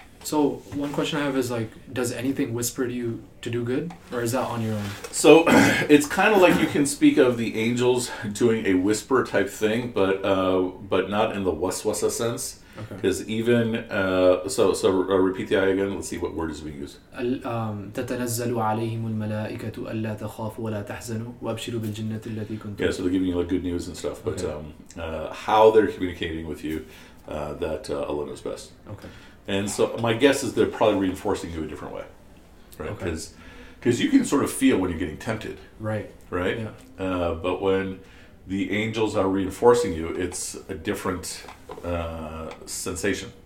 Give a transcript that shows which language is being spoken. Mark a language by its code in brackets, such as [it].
[en] So one question I have is, like, does anything whisper to you to do good, or is that on your own? So it's kind of like you can speak of the angels doing a whisper type thing, but not in the waswasa sense. Yeah. Because even repeat the ayah again. Let's see what words we use. [ar] تتنزلوا عليهم الملائكة ألا تخافوا ولا تحزنوا وابشروا بالجنة التي كنتم. [en] Yeah, so they're giving you like good news and stuff, but okay. How they're communicating with you, that Allah knows best. Okay. And so my guess is they're probably reinforcing you a different way, right? Because okay. you can sort of feel when you're getting tempted. Right. Right. Yeah. But when the angels are reinforcing you, it's a different sensation.